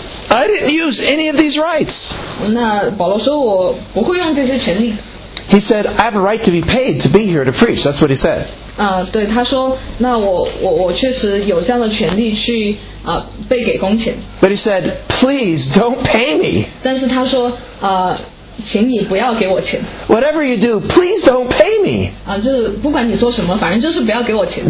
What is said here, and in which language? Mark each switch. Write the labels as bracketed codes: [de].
[en] I didn't use any of these rights. [zh] 那保罗说我不会用这些权利。 [en] He said, I have a right to be paid to be here to preach. That's what he said. [zh] 对，他说，那我确实有这样的权利去被给工钱。 [en] But he said, please don't pay me. [zh] 但是他说，请你不要给我钱。 [en] Whatever you do, please don't pay me. [zh] 就是不管你做什么，反正就是不要给我钱。